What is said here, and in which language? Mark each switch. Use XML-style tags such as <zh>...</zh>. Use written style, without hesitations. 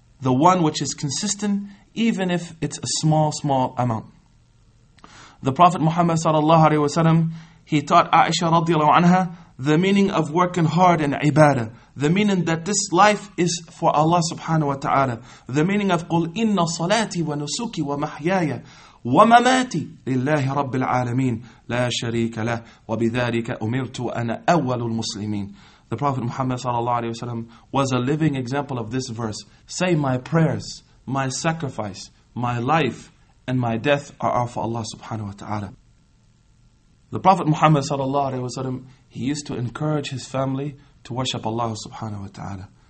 <en>The one which is consistent, even if it's a small amount. The Prophet Muhammad sallallahu alayhi wa sallam, he taught Aisha radiallahu anha the meaning of working hard in ibadah. The meaning that this life is for Allah subhanahu wa ta'ala. The meaning of</en> <ar>قُلْ إِنَّ صَلَاتِي وَنُسُكِي وَمَحْيَايَ وَمَمَاتِي لِلَّهِ رَبِّ الْعَالَمِينَ لَا شَرِيكَ لَهُ وَبِذَارِكَ أُمِرْتُ أَنَا أَوَّلُ الْمُسْلِمِينَ.</ar> <en>The Prophet Muhammad sallallahu alayhi wa sallam was a living example of this verse. Say, my prayers, my sacrifice, my life, and my death are for Allah subhanahu wa ta'ala. The Prophet Muhammad sallallahu alayhi wa sallam, he used to encourage his family to worship Allah subhanahu wa ta'ala.</en>